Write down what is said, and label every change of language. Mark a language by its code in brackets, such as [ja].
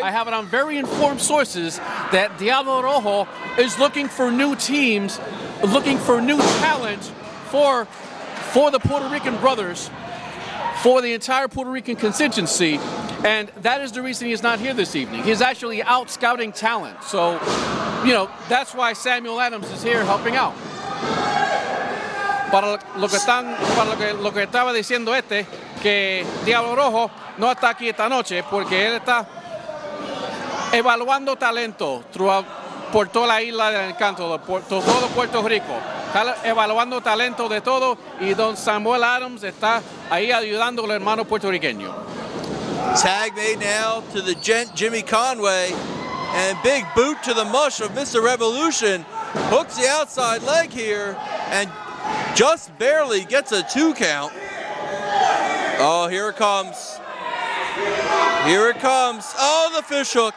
[en] I have it on very informed sources that Diablo Rojo is looking for new teams, looking for new talent for the Puerto Rican brothers, for the entire Puerto Rican contingency. And that is the reason he's not here this evening. He's actually out scouting talent. So, you know, that's why Samuel Adams is here helping out. [es] Para lo que estaba diciendo este, que Diablo Rojo no está aquí esta noche porque él está evaluando talento por toda la isla del encanto, todo Puerto Rico. Está evaluando talento de todo y Don Samuel Adams está ahí ayudando al hermano puertorriqueño. [en] Tag made now to the gent Jimmy Conway, and big boot to the mush of Mr. Revolution. Hooks the outside leg here and just barely gets a two count. Oh, here it comes. Here it comes. Oh, the fish hook.